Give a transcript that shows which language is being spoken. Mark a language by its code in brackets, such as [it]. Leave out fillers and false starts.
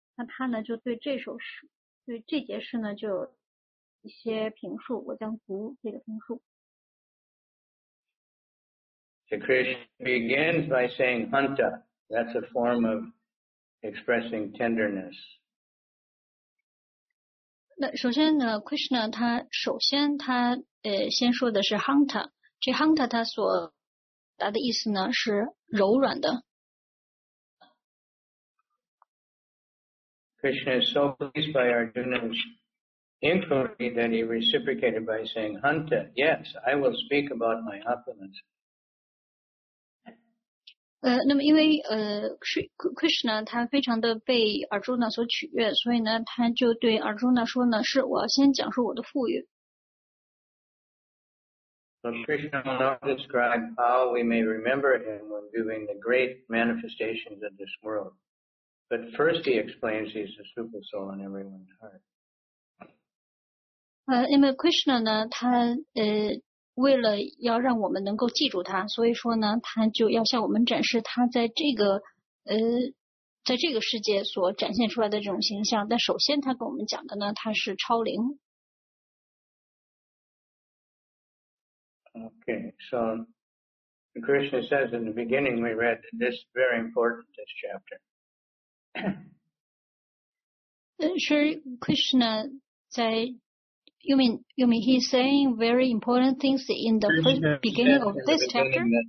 [zh] 那他呢就对这首诗，对这节诗呢就有一些评述，我将读这个评述。 [en] The Krishna begins by saying "hunta," that's a form of expressing tenderness. [zh] 那首先呢 ，Krishna 他首先他先说的是 hunter， 这 hunter 他所达的意思呢是柔软的。 [en] Krishna is so pleased by Arjuna's inquiry that he reciprocated by saying, "Hunter, yes, I will speak about my opulence." [zh] 那么因为Krishna 他非常的被 Arjuna 所取悦，所以呢，他就对 Arjuna 说呢，是我要先讲述我的富裕。 [en] So Krishna will now describe how we may remember him when viewing the great manifestations of this world. But first he explains he's the super soul in everyone's heart. [zh] 因为 Krishna 呢，他为了要让我们能够记住他，所以说呢，他就要向我们展示他在这个在这个世界所展现出来的这种形象。但首先他跟我们讲的呢，他是超灵。 [en] Okay, so Krishna says in the beginning we read that this is very important, this chapter. Krishna 在You mean he's saying very important things in the first beginning of this chapter?